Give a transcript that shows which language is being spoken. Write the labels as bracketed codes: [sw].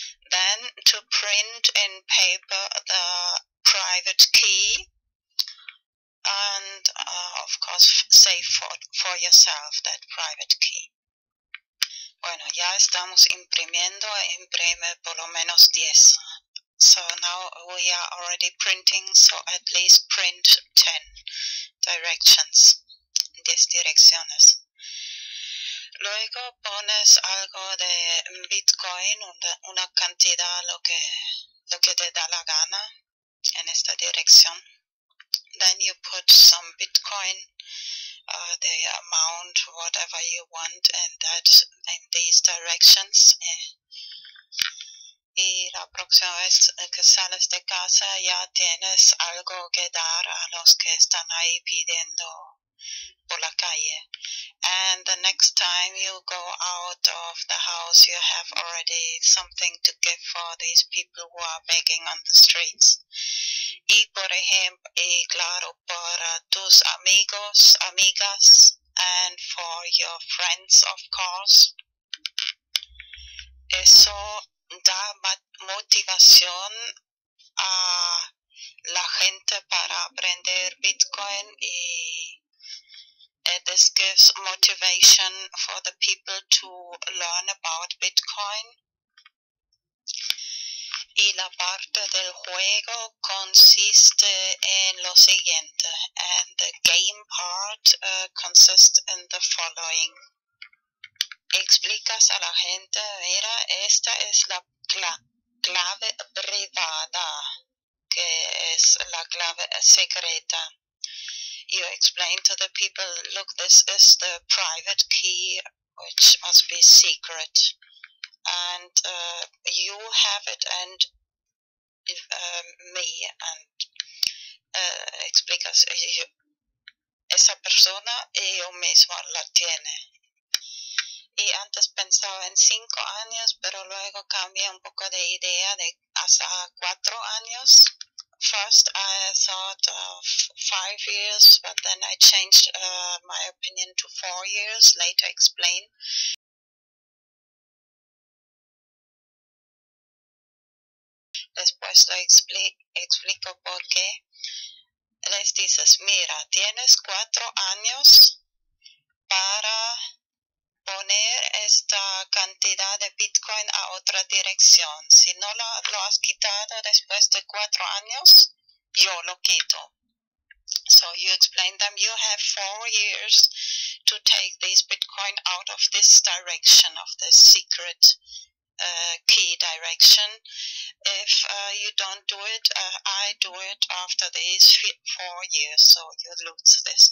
[en] Then to print in paper the private key and of course save for yourself that private key. [es] Bueno, ya estamos imprimiendo, imprime por lo menos 10. [en] So now we are already printing, so at least print 10 directions, [es] 10 direcciones. Luego pones algo de Bitcoin, una cantidad, lo que te da la gana en esta dirección. [en] Then you put some Bitcoin, the amount, whatever you want, and that in these directions. [es] Y la próxima vez que sales de casa ya tienes algo que dar a los que están ahí pidiendo por la calle. [en] And the next time you go out of the house, you have already something to give for these people who are begging on the streets. [es] Y por ejemplo, y claro, para tus amigos, amigas, [en] and for your friends, of course. [es] Eso da motivación a la gente para aprender Bitcoin y [en] this gives motivation for the people to learn about Bitcoin. [es] Y la parte del juego consiste en lo siguiente. [en] And the game part consists in the following. [es] Explicas a la gente, mira, esta es la clave privada, que es la clave secreta. [en] You explain to the people, look, this is the private key, which must be secret. And you have it, and me, and [es] explicas, yo, esa persona y yo mismo la tiene. Y antes pensaba en 5 años, pero luego cambié un poco de idea de hasta 4 años. [en] First I thought of 5 years, but then I changed my opinion to 4 years, later explained. [es] Después lo explico por qué. Les dices, mira, tienes 4 años para poner esta cantidad de Bitcoin a otra dirección. Si no lo has quitado después de 4 años, yo lo quito. [en] So you explain them, you have 4 years to take this Bitcoin out of this direction, of this secret key direction. If you don't do it, I do it after these 4 years, so you lose this.